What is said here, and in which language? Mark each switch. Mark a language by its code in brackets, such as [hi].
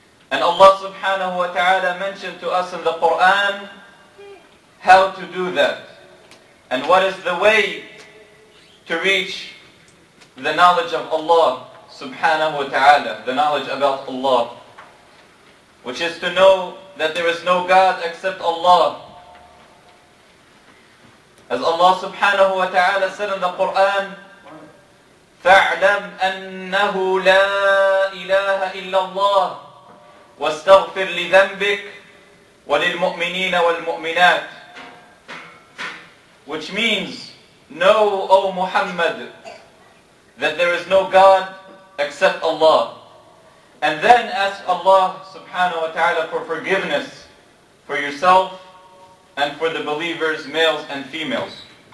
[en] And Allah subhanahu wa ta'ala mentioned to us in the Qur'an how to do that and what is the way to reach the knowledge of Allah subhanahu wa ta'ala, the knowledge about Allah, which is to know that there is no God except Allah. As Allah subhanahu wa ta'ala said in the Qur'an, [ar] فاعلم أنه لا إله إلا الله، واستغفر لذنبك وللمؤمنين والمؤمنات. [en] Which means, know, O Muhammad, that there is no God except Allah. And then ask Allah subhanahu wa ta'ala for forgiveness for yourself and for the believers, males and females.